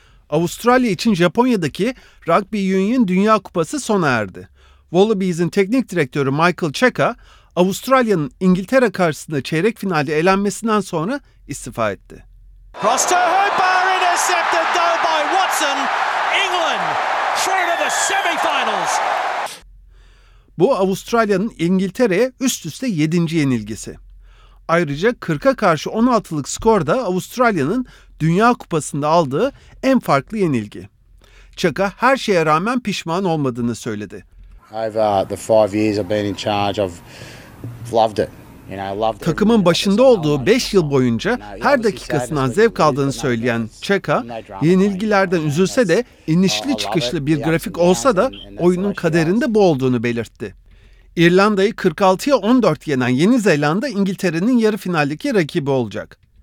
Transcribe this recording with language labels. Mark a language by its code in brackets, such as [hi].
[tr] Avustralya için Japonya'daki Rugby Union Dünya Kupası sona erdi. Wallabies'in teknik direktörü Michael Checa, Avustralya'nın İngiltere karşısında çeyrek finalde elenmesinden sonra istifa etti. [en] Roster Hooper intercepted though by Watson. England straight to the semifinals. [tr] Bu Avustralya'nın İngiltere'ye üst üste 7. yenilgisi. Ayrıca 40'a karşı 16'lık skor da Avustralya'nın Dünya Kupası'nda aldığı en farklı yenilgi. Chaka her şeye rağmen pişman olmadığını söyledi. [en] Over the 5 years I've been in charge, I've loved it. [tr] Takımın başında olduğu 5 yıl boyunca her dakikasından zevk aldığını söyleyen Checa, yenilgilerden üzülse de inişli çıkışlı bir grafik olsa da oyunun kaderinde bu olduğunu belirtti. İrlanda'yı 46-14 yenen Yeni Zelanda, İngiltere'nin yarı finaldeki rakibi olacak.